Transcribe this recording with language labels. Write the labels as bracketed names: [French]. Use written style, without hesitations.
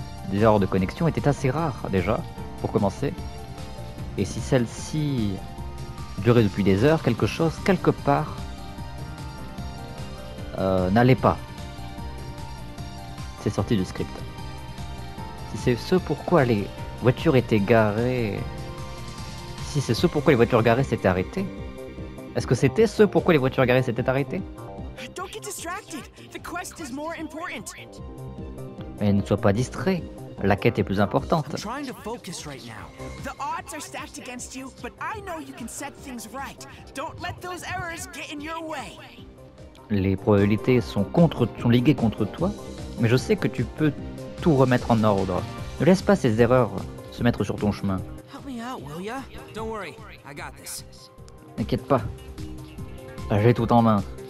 [French] Des erreurs de connexion étaient assez rares, déjà, pour commencer. Et si celle-ci durait depuis des heures, quelque chose, quelque part, n'allait pas. C'est sorti du script. Si c'est ce pourquoi les voitures étaient garées... Si c'est ce pourquoi les voitures garées s'étaient arrêtées... Est-ce que c'était ce pourquoi les voitures garées s'étaient arrêtées? [English] Don't get distracted. The quest is more important. [French] Mais ne sois pas distrait. La quête est plus importante. [English] I'm trying to focus right now. The odds are stacked against you, but I know you can set things right. Don't let those errors get in your way. [French] Les probabilités sont liguées contre toi, mais je sais que tu peux tout remettre en ordre. Ne laisse pas ces erreurs se mettre sur ton chemin. [English] Help me out, will ya? Don't worry, I got this. [French] N'inquiète pas. J'ai tout en main.